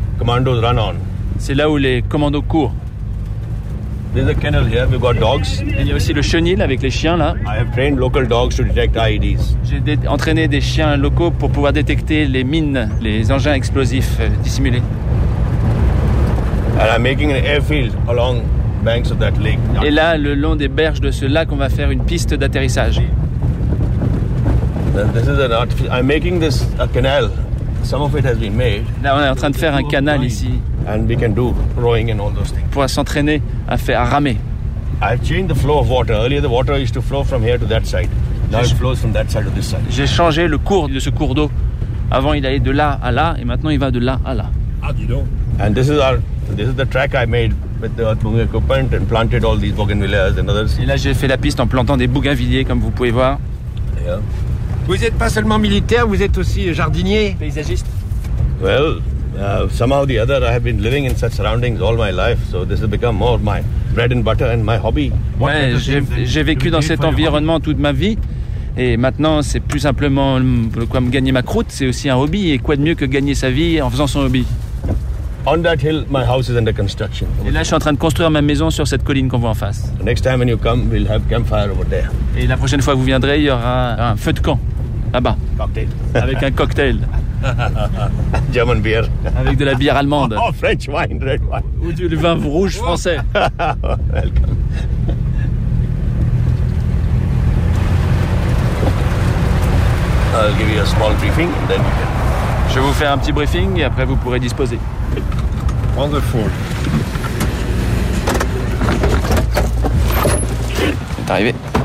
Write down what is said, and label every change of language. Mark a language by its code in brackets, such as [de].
[en] Commandos run on. [fr] C'est là où les commandos courent. [en] There's a kennel here. We've got dogs. [fr] Il y a aussi le chenil avec les chiens là. [en] I have trained local dogs to detect IEDs. [fr] J'ai entraîné des chiens locaux pour pouvoir détecter les mines, les engins explosifs dissimulés. [en] And I'm making an airfield along banks of that lake. [fr] Et là, le long des berges de ce lac, on va faire une piste d'atterrissage. [en] This is an artificial. I'm making this a canal. Some of it has been made. [fr] Là, on est en train de faire un canal ici. [en] And we can do rowing and all those things. [fr] Pour s'entraîner à faire à ramer. [en] I've changed the flow of water. Earlier, the water used to flow from here to that side. Now it flows from that side to this side. [fr] J'ai changé le cours de ce cours d'eau. Avant, il allait de là à là, et maintenant, il va de là à là. Ah, dis donc. [en] And this is our. This is the track I made with the earth-moving equipment and planted all these bougainvilleas and others. [fr] Et là, j'ai fait la piste en plantant des bougainvilliers, comme vous pouvez voir. [en] Yeah. [fr] Vous n'êtes pas seulement militaire, vous êtes aussi jardinier, paysagiste. [en] Well, somehow or the other, I have been living in such surroundings all my life, so this has become more my bread and butter and my hobby. [fr] Ouais, j'ai vécu dans cet environnement toute ma vie, et maintenant c'est plus simplement quoi me gagner ma croûte, c'est aussi un hobby, et quoi de mieux que gagner sa vie en faisant son hobby. [en] On that hill, my house is under construction. [fr] Et là, je suis en train de construire ma maison sur cette colline qu'on voit en face. [en] The next time when you come, we'll have campfire over there. [fr] Et la prochaine fois que vous viendrez, il y aura un feu de camp là-bas. [en] Cocktail. [fr] Avec un cocktail. [en] German beer. [fr] Avec de la bière allemande. [en] Oh, French wine, red wine. [fr] Ou du vin rouge français. [en] Welcome. I'll give you a small briefing, then you can. [fr] Je vais vous faire un petit briefing et après vous pourrez disposer. [en] Wonderful. [fr] C'est arrivé.